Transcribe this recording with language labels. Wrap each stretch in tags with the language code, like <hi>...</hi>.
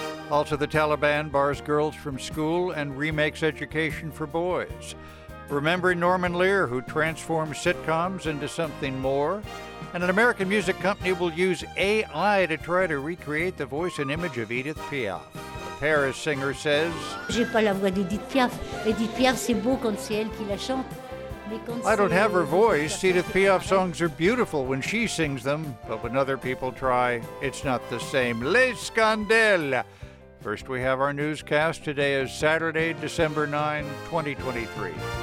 <en>Also, the Taliban bars girls from school and remakes education for boys. Remembering Norman Lear, who transformed sitcoms into something more. And an American music company will use AI to try to recreate the voice and image of Edith Piaf. Paris singer says,</en> <fr>J'ai pas la voix d'Edith Piaf. Edith Piaf, c'est beau quand c'est elle qui la chante.</fr> <en>I don't have her voice. Edith Piaf songs are beautiful when she sings them, but when other people try, it's not the same.</en> <fr>Les Scandales!</fr> <en>First, we have our newscast. Today is Saturday, December 9, 2023.</en>